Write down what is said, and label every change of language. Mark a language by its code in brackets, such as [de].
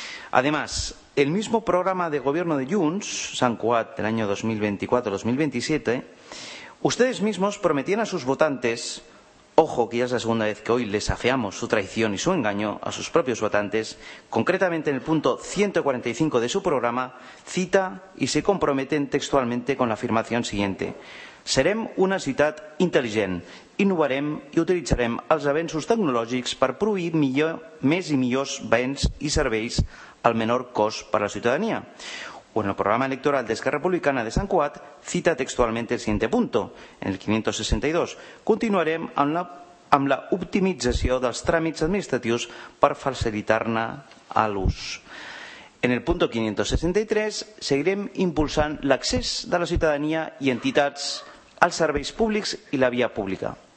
[es] Además, el mismo programa de gobierno de Junts, San Cuat, del año 2024-2027, ustedes mismos prometían a sus votantes, ojo, que ya es la segunda vez que hoy les afeamos su traición y su engaño a sus propios votantes, concretamente en el punto 145 de su programa, cita y se comprometen textualmente con la afirmación siguiente. [ca] Serem una ciutat intel·ligent, innovarem i utilitzarem els avenços tecnològics per produir millor, més i millors béns i serveis al menor cost per a la ciutadania. [es] O en el programa electoral d'Esquerra Republicana de Sant Cuat, [ca] cita textualment [es] el siguiente punto, en el 562. [ca] Continuarem amb la optimització dels tràmits administratius per facilitar-ne l'ús. [es] En el punto 563, [ca] seguirem impulsant l'accés de la ciutadania i entitats als serveis públics i la via pública.